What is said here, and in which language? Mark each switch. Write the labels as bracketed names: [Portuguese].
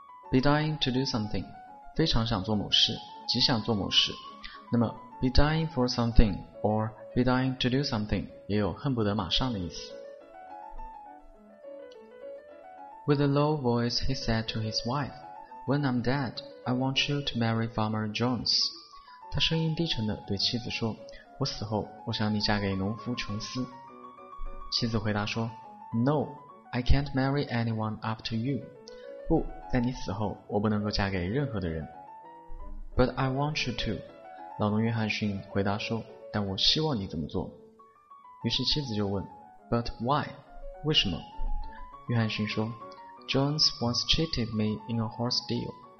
[English] be dying to do something [Chinese] 非常想做某事，极想做某事。那么 [English] be dying for something or be dying to do something [Chinese] 也有恨不得马上的意思。 [English] With a low voice, he said to his wife, When I'm dead, I want you to marry Farmer Jones. [Chinese] 他声音低沉地对妻子说，我死后，我想你嫁给农夫琼斯。妻子回答说， [English] No, I can't marry anyone after you. [Chinese] 不，在你死后，我不能够嫁给任何的人。 [English] But I want you to. [Chinese] 老农约翰逊回答说，但我希望你这么做。于是妻子就问， [English] But why? [Chinese] 为什么？约翰逊说， [English] Jones once cheated me in a horse deal.